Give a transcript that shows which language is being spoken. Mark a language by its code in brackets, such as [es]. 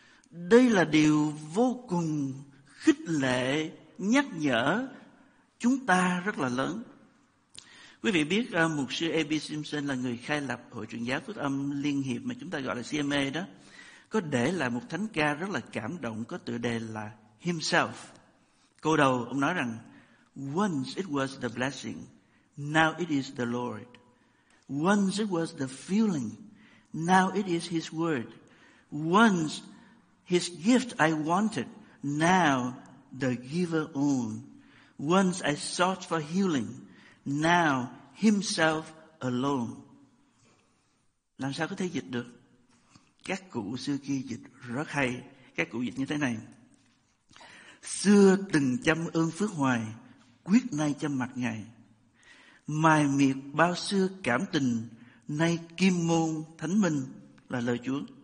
[vi] Đây là điều vô cùng khích lệ, nhắc nhở chúng ta rất là lớn. Quý vị biết mục sư A.B. Simpson là người khai lập Hội Truyền giáo Phúc âm Liên hiệp mà chúng ta gọi là CMA đó, có để lại một thánh ca rất là cảm động có tựa đề là Himself. Câu đầu ông nói rằng: [en] Once it was the blessing, now it is the Lord. Once it was the feeling, now it is His word. Once His gift I wanted, now the giver own. Once I sought for healing, now Himself alone. [vi] Làm sao có thể dịch được? Các cụ xưa kia dịch rất hay. Các cụ dịch như thế này: xưa từng chăm ơn phước hoài, quyết nay chăm mặt Ngài. Mài miệt bao xưa cảm tình, nay kim môn thánh minh là lời Chúa.